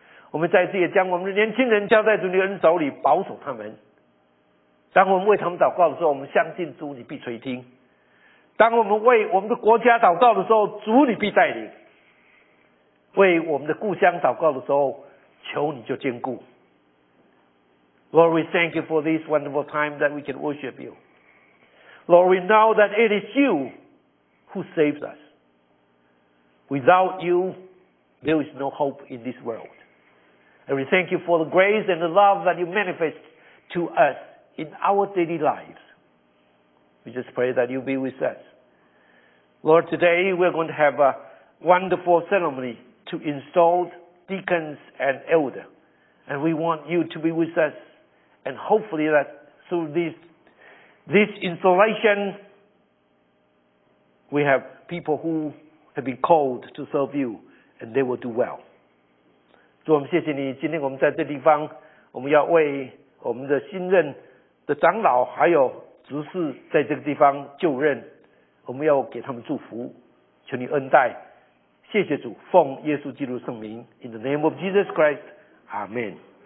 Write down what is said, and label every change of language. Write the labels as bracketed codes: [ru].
[zh] 我们再次也将我们的年轻人交在主的恩手里，保守他们。当我们为他们祷告的时候，我们相信主你必垂听，当我们为我们的国家祷告的时候，主你必带领，为我们的故乡祷告的时候，求你就坚固。 [en] Lord, we thank you for this wonderful time that we can worship you. Lord, we know that it is you who saves us. Without you, there is no hope in this world. And we thank you for the grace and the love that you manifest to usIn our daily lives. We just pray that you be with us. Lord, today we're going to have a wonderful ceremony to install deacons and elders. And we want you to be with us. And hopefully that through this installation, we have people who have been called to serve you and they will do well. [zh] 主，我们谢谢你，今天我们在这地方，我们要为我们的新任的长老还有执事在这个地方就任，我们要给他们祝福，求你恩待。谢谢主，奉耶稣基督圣名， [en] In the name of Jesus Christ, Amen.